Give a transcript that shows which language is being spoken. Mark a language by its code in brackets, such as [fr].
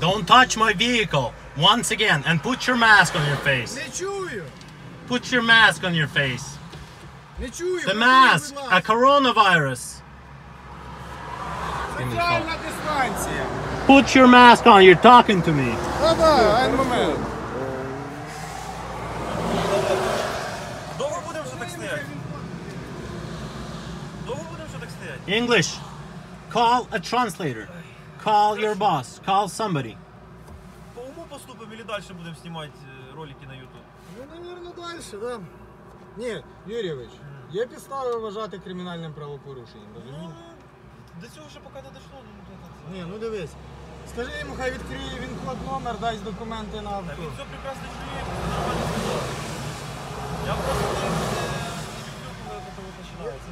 [en] Don't touch my vehicle once again and put your mask on your face. [uk] Не чую. [en] Put your mask on your face. [uk] Не чую. [en] The mask, a coronavirus. [uk] Соціальна дистанція. [en] Put your mask on, you're talking to me. [uk] Да-да, один момент. Довго будемо ще так стоять? Довго будемо ще так стоять? [en] English. Call a translator. Call your boss. Call somebody. [uk] По уму поступимо или дальше будемо снимати ролики на YouTube? [ru] Ну, наверное, дальше, да. [uk] Ні, Юрьевич, є підстави вважати кримінальним правопорушенням, розумієш? До цього ще поки не дійшло. Ні, ну дивись. Скажи йому, хай відкриє він код номер, дасть документи на авто. Так він все прекрасно чує, нормально сказав. Я просто не люблю, коли до того починається.